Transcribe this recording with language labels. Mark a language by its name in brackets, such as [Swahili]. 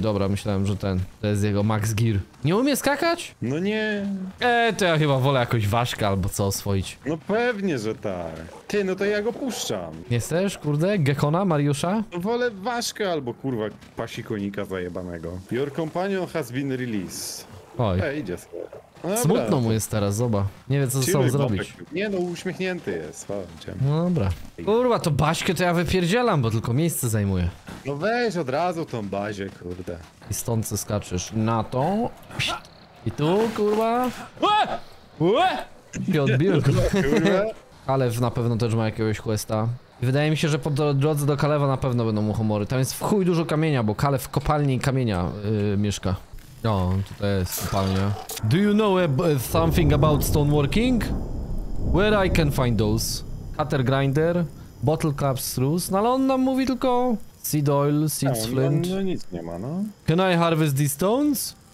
[Polish] Dobra, myślałem, że ten. To jest jego max gear. Nie umie skakać? No nie. To ja chyba wolę jakąś ważkę albo co oswoić. No pewnie, że tak. Ty, no to ja go puszczam. Nie chcesz, kurde? Gekona, Mariusza? Wolę ważkę albo kurwa pasikonika zajebanego. [English] Your companion has been released. [Polish] Oj. Ej, idzie. Dobra. Smutno mu jest teraz, zoba. Nie wie co ze sobą zrobić. Nie no, uśmiechnięty jest, no dobra. Kurwa, to Baśkę to ja wypierdzielam, bo tylko miejsce zajmuje. No weź od razu tą bazię, kurde. I stąd co skaczesz na tą. I tu, kurwa. I odbiłem, kurwa. Kalew na pewno też ma jakiegoś questa. Wydaje mi się, że po drodze do Kalewa na pewno będą mu humory. Tam jest w chuj dużo kamienia, bo Kalew w kopalni kamienia mieszka. No, tutaj jest kopalnia. [English] Do you know something about stoneworking? Where I can find those? Cutter grinder, bottle cap screws. [Polish] No ale on nam mówi tylko seed oil, seed flint. No, nic nie ma, no. [English] Can I harvest these stones?